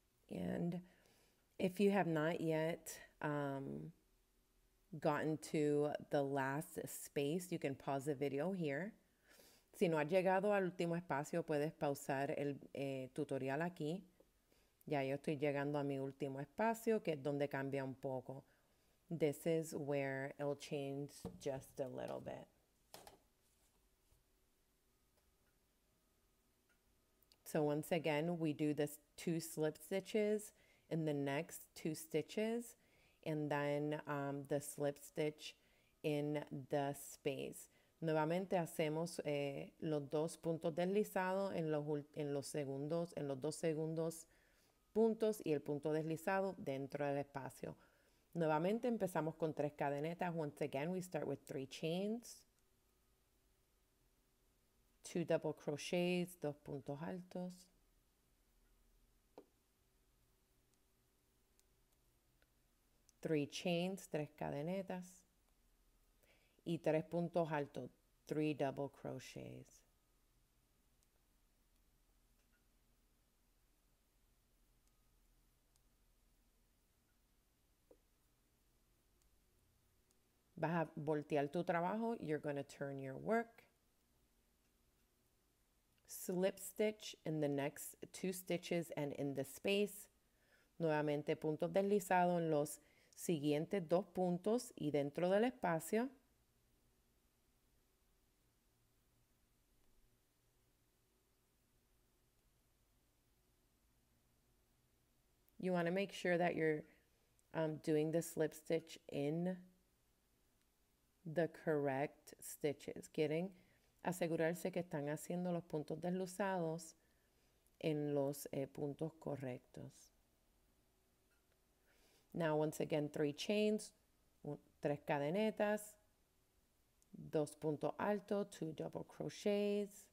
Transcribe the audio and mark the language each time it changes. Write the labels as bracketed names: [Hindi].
[English] And if you have not yet gotten to the last space, you can pause the video here. [Spanish] Si no has llegado al último espacio, puedes pausar el tutorial aquí. Ya yo estoy llegando a mi último espacio, que es donde cambia un poco. [English] This is where it'll change just a little bit. So once again, we do this two slip stitches in the next two stitches, and then the slip stitch in the space. [Spanish] Nuevamente hacemos los dos puntos deslizados en los dos segundos puntos y el punto deslizado dentro del espacio. Nuevamente empezamos con tres cadenetas. [English] Once again, we start with three chains. Two double crochets, [Spanish] dos puntos altos. [English] Three chains, [Spanish] tres cadenetas. Y tres puntos altos, [English] three double crochets. [Spanish] Vas a voltear tu trabajo, [English] you're going to turn your work. Slip stitch in the next two stitches and in the space. [Spanish] Nuevamente, punto deslizado en los siguientes dos puntos y dentro del espacio. [English] You want to make sure that you're doing the slip stitch in the correct stitches. [Spanish] Quieren asegurarse que están haciendo los puntos deslizados en los puntos correctos. [English] Now, once again, three chains, [Spanish] tres cadenetas, dos puntos altos, [English] two double crochets.